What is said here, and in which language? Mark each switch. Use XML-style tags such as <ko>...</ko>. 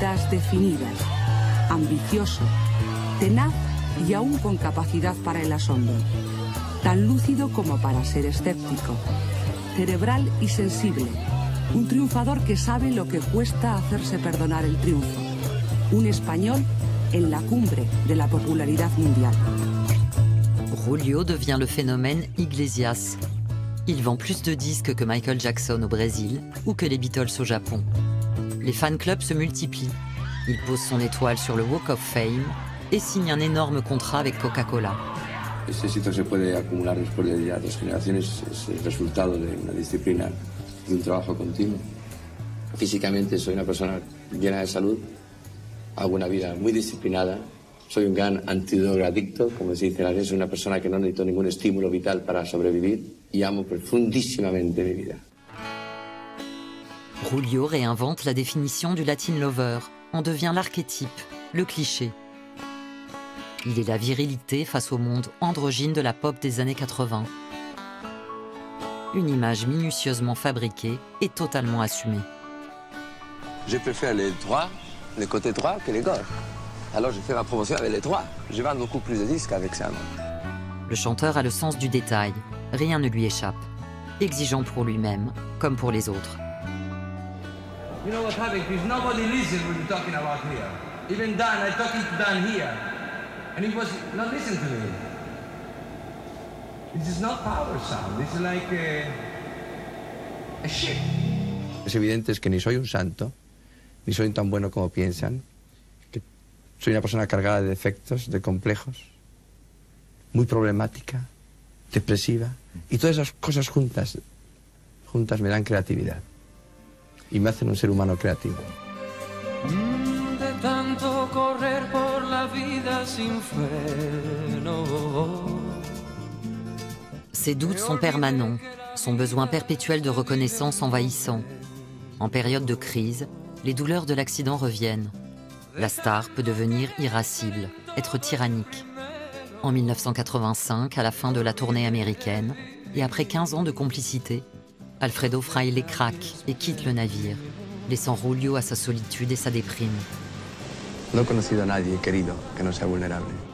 <es>Definidas, ambicioso, tenaz y aún con capacidad para el asombro, tan lúcido como para ser escéptico, cerebral y sensible, un triunfador que sabe lo que cuesta hacerse perdonar el triunfo, un español en la cumbre de la popularidad mundial.</es> <fr>Julio devient le phénomène Iglesias. Il vend plus de disques que Michael Jackson au Brésil ou que les Beatles au Japon. Les fan clubs se multiplient. Il pose son étoile sur le Walk of Fame et signe un énorme contrat avec Coca-Cola.</fr> <es>Cet éxito se puede acumular después de ya dos generaciones. Es el resultado de una disciplina y un trabajo continuo. Físicamente soy una persona llena de salud, hago una vida muy disciplinada. Soy un gran antidrogadicto, como se dice en inglés, soy una persona que no necesito ningún estímulo vital para sobrevivir y amo profundísimamente mi vida.</es> <fr>Julio réinvente la définition du Latin Lover. En devient l'archétype, le cliché. Il est la virilité face au monde androgyne de la pop des années 80. Une image minutieusement fabriquée et totalement assumée. Je préfère les droits, les côtés droits que les gauches. Alors je fais ma promotion avec les droits. Je vends beaucoup plus de disques avec ça. Le chanteur a le sens du détail. Rien ne lui échappe. Exigeant pour lui-même, comme pour les autres.</fr> <en>You know what's happening? Because nobody listens when you're talking about here. Even Dan, I'm talking to Dan here. and he was not listening to me. This is not power sound. This is like a ship.</en> <es>Es evidente que ni soy un santo, ni soy tan bueno como piensan. Soy una persona cargada de defectos, de complejos, muy problemática, depresiva, y todas esas cosas juntas me dan creatividad y me hacen un ser humano creativo. De tanto correr por la vida sin freno.</es> <fr>Ses doutes sont permanents, son besoin perpétuel de reconnaissance envahissant. En période de crise, les douleurs de l'accident reviennent. La star peut devenir irascible, être tyrannique. En 1985, à la fin de la tournée américaine, et après 15 ans de complicité, Alfredo Fraile craque et quitte le navire, laissant Julio à sa solitude et sa déprime.</fr> <es>No he conocido a nadie querido que no sea vulnerable.</es>